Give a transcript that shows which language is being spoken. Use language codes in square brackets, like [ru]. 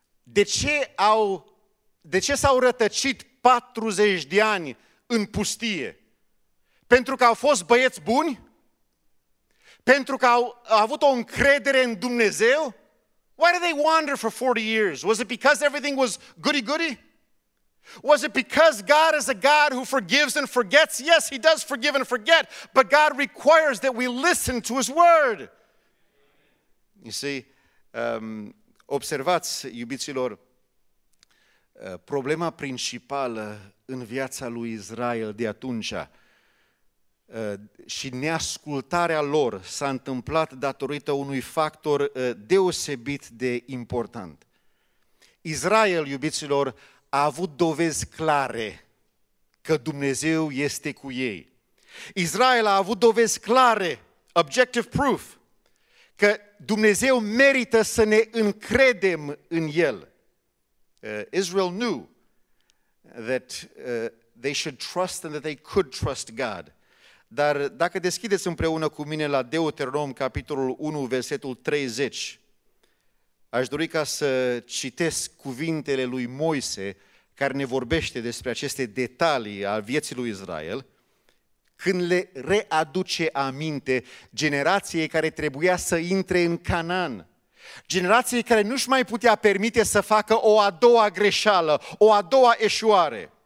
[ro] De ce s-au rătăcit 40 de ani în pustie? Pentru că au fost băieți buni? Pentru că au avut o încredere în Dumnezeu? [en] Why did they wander for 40 years? Was it because everything was goody-goody? Was it because God is a God who forgives and forgets? Yes, he does forgive and forget, but God requires that we listen to his word. You see, [ro] observați, iubiților, problema principală în viața lui Israel de atunci și neascultarea lor s-a întâmplat datorită unui factor deosebit de important. Israel, iubiților, a avut dovezi clare că Dumnezeu este cu ei. Israel a avut dovezi clare, [en] objective proof, [ro] că Dumnezeu merită să ne încredem în El. [en] Israel knew that they should trust and that they could trust God. [ro] Dar dacă deschideți împreună cu mine la Deuteronom, capitolul 1, versetul 30, aș dori ca să citesc cuvintele lui Moise, care ne vorbește despre aceste detalii al vieții lui Israel, când le readuce aminte generației care trebuia să intre în Canaan, generației care nu-și mai putea permite să facă o a doua greșeală, o a doua eșuare.